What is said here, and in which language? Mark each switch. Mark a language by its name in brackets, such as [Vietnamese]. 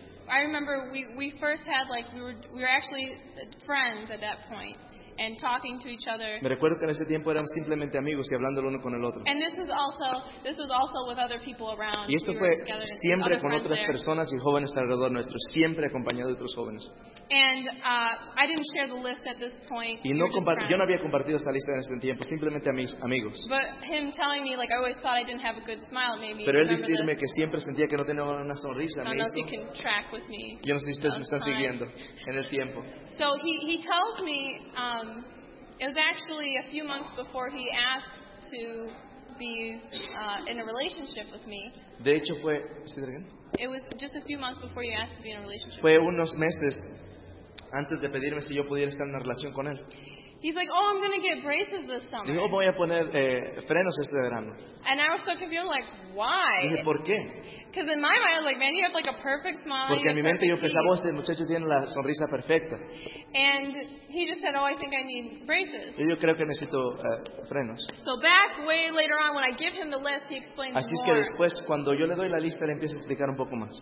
[English] I remember we first had like we were actually friends at that point and talking to each other. [Spanish] Me recuerdo que en ese tiempo éramos simplemente amigos y hablando el uno con el otro. [English] And this was also with other people around. [Spanish] Y esto fue siempre con otras personas y jóvenes alrededor nuestro, siempre acompañado de otros jóvenes. [English] And I didn't share the list at this point. [Spanish] Y yo no había compartido esa lista en ese tiempo, simplemente a mis amigos. [English] But him telling me, like, I always thought I didn't have a good smile, maybe. [Spanish] Pero él decirme que siempre sentía que no tenía una sonrisa. [English] I don't know if you can track with me. [Spanish] Yo no sé si ustedes me están siguiendo en el tiempo. [English] So he tells me, it was actually a few months before he asked to be in a relationship with me. [Spanish] De hecho fue, ¿sí de alguien? [English] It was just a few months before you asked to be in a relationship. [Spanish] Fue unos meses antes de pedirme si yo pudiera estar en una relación con él. [English] He's like, oh, I'm going to get braces this summer. [Spanish] Dijo, voy a poner frenos este verano. [English] And I was so confused, I'm like, why? [Spanish] Dije, ¿por qué? [English] Because in my mind, I was like, man, you have like a perfect smile. [Spanish] Porque en mi mente yo pensaba, este muchacho tiene la sonrisa perfecta. [English] And he just said, oh, I think I need braces. [Spanish] Yo creo que necesito frenos. [English] So back way later on, when I give him the list, he explains more. [Spanish] Así es que después, cuando yo le doy la lista, le empiezo a explicar un poco más.